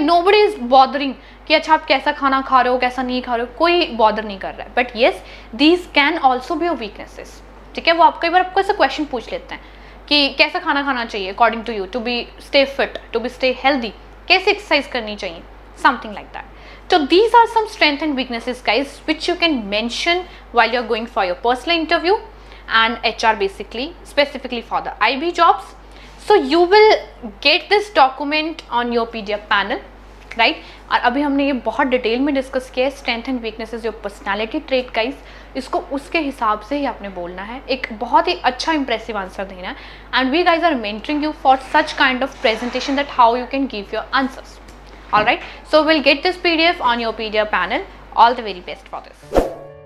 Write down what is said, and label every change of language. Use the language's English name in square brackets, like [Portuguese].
[English] nobody is bothering [Hindi] कि अच्छा आप कैसा खाना खा रहे हो कैसा नहीं खा रहे हो, कोई बॉदर नहीं कर रहा है. [English] but yes these can also be your weaknesses, [Hindi] ठीक है. वो आप कई बार आपको ऐसा क्वेश्चन पूछ लेते हैं कि कैसा खाना खाना चाहिए [English] according to you to be stay fit to be stay healthy, [Hindi] कैसे एक्सरसाइज करनी चाहिए, [English] Something like that. So these are some strengths and weaknesses, guys, which you can mention while you're going for your personal interview and HR basically, specifically for the IB jobs. So you will get this document on your PDF panel, right? [Hindi] और अभी हमने ये बहुत detail में discuss किया है, [English] strength and weaknesses, your personality trait, [Hindi] guys, इसको उसके हिसाब से ही आपने बोलना है, एक बहुत ही अच्छा इंप्रेसिव आंसर देना है. [English] And we guys are mentoring you for such kind of presentation that how you can give your answers. Alright, so we will get this PDF on your PDF panel. All the very best for this.